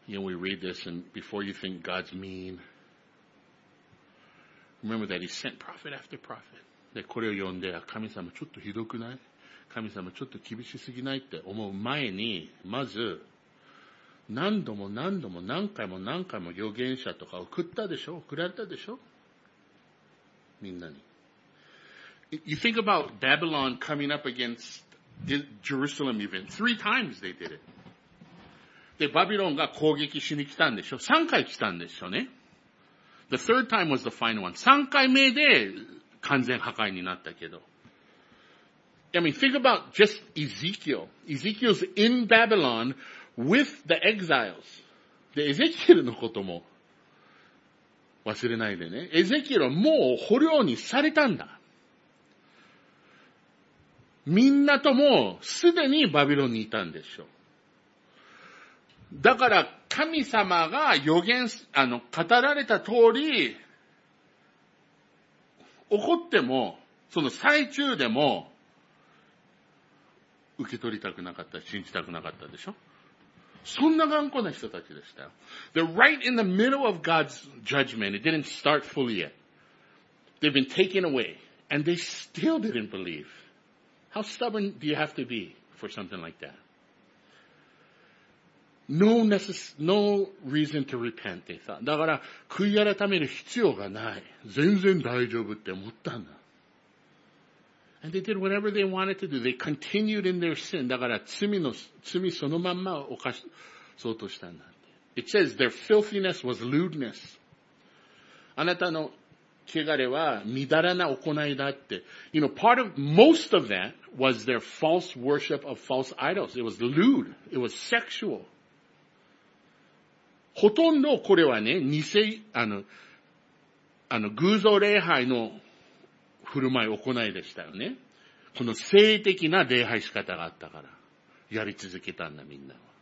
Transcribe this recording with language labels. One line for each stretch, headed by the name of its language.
English: You know, we read this and before you think God's mean, remember that he sent prophet after prophet.
Japanese: で、これを読んで、神様ちょっとひどくない?神様ちょっと厳しすぎないって思う前に、まず、何度も何度も何回も何回も預言者とか送ったでしょ? 送られたでしょ?みんなに。
English: You think about Babylon coming up against Jerusalem even. Three times they did it.
Japanese: で、バビロンが攻撃しに来たんでしょ? 三回来たんですよね。
English: The third time was the final one.
Japanese: 三回目で完全破壊になったけど。
English: I mean, think about just Ezekiel. Ezekiel's in Babylon with the exiles.
Japanese: で、エゼキエルのことも忘れないでね。エゼキエルはもう捕虜にされたんだ。みんなともすでにバビロンにいたんでしょう。だから神様が予言、語られた通り、怒っても、その最中でも、受け取りたくなかった、信じたくなかったでしょ。そんな頑固な人たちでした。
English: They're right in the middle of God's judgment. It didn't start fully yet. They've been taken away. And they still didn't believe. How stubborn do you have to be for something like that? No reason to repent, they thought.
Japanese: だから、悔い改める必要がない。全然大丈夫って思ったんだ。
English: And they did whatever they wanted to do. They continued in their sin.
Japanese: だから罪そのまんまを犯そうとしたんだ。
English: It says their filthiness was lewdness.
Japanese: あなたの汚れはみだらな行いだって。
English: You know, part of, most of that was their false worship of false idols. It was lewd. It was sexual.
Japanese: ほとんどこれはね、偶像礼拝の振る舞い行いでしたよね。この性的な礼拝仕方があったから、やり続けたんだみんなは。